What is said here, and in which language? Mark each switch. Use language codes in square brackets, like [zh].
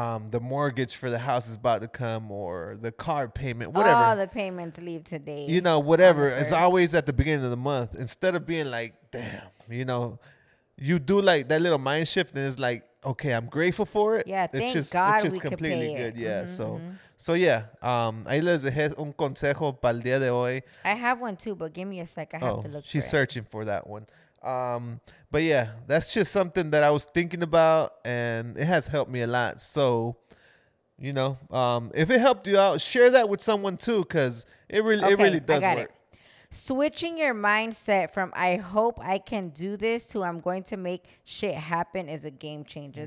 [en] The mortgage for the house is about to come, or the car payment, whatever. All the payments leave today. You know, whatever. It's always at the beginning of the month. Instead of being like, damn, you know, you do like that little mind shift, and it's like okay, I'm grateful for it. Yeah, thank God we can pay it. It's just completely good. Yeah, mm-hmm. So yeah. [es] Ahí les dejé un consejo para el día de hoy. [en] I have one too, but give me a sec. I have to look for it. She's searching for that one. But yeah, that's just something that I was thinking about, and it has helped me a lot. So, you know, if it helped you out, share that with someone too, because it really does work. Switching your mindset from I hope I can do this to I'm going to make shit happen is a game changer.